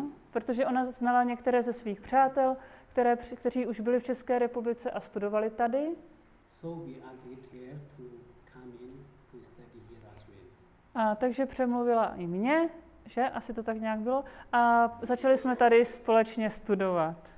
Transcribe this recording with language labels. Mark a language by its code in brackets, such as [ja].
[cs] Protože ona znala některé ze svých přátel, kteří už byli v České republice a studovali tady. [en] So we agreed her to come in to study here as well. [cs] A takže přemluvila i mě, že asi to tak nějak bylo, a začali jsme tady společně studovat.